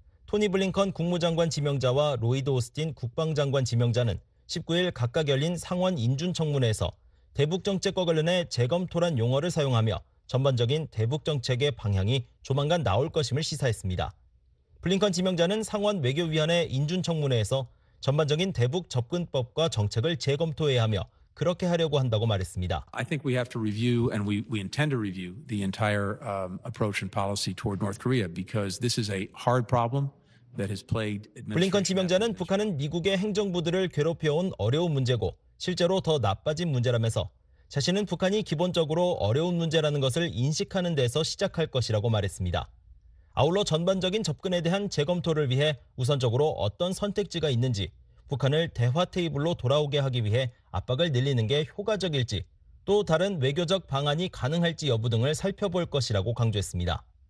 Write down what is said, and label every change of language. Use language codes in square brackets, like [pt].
[ko] 토니 블링컨 국무장관 지명자와 로이드 오스틴 국방장관 지명자는 19일 각각 열린 상원 인준청문회에서 대북정책과 관련해 재검토란 용어를 사용하며 전반적인 대북정책의 방향이 조만간 나올 것임을 시사했습니다. 블링컨 지명자는 상원 외교위원회 인준청문회에서 전반적인 대북 접근법과 정책을 재검토해야 하며 그렇게 하려고 한다고 말했습니다. [en] I think we have to review and we intend to review the entire approach and policy toward North Korea because this is a hard problem that has plagued administration. [ko] 블링컨 지명자는 북한은 미국의 행정부들을 괴롭혀온 어려운 문제고 실제로 더 나빠진 문제라면서 자신은 북한이 기본적으로 어려운 문제라는 것을 인식하는 데서 시작할 것이라고 말했습니다. 아울러 전반적인 접근에 대한 재검토를 위해 우선적으로 어떤 선택지가 있는지 북한을 대화 테이블로 돌아오게 하기 위해 압박을 늘리는 게 효과적일지 또 다른 외교적 방안이 가능할지 여부 등을 살펴볼 것이라고 강조했습니다.